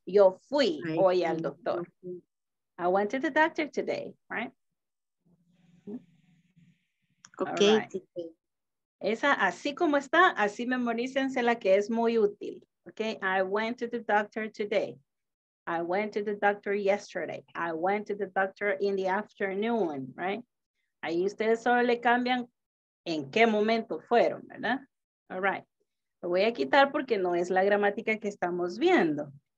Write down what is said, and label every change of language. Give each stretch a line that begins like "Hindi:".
Spanish: Yo fui hoy al doctor.
English: I went to the doctor today, right? Ok. Right.
Spanish: Esa, así como está, así memorícense la que es muy útil, ok.
English: I went to the doctor today. I went to the doctor yesterday. I went to the doctor in the afternoon, right?
Spanish: Ahí ustedes solo le cambian en qué momento fueron, ¿verdad?
English: All right.
Spanish: Lo voy a quitar porque no es la gramática que estamos viendo.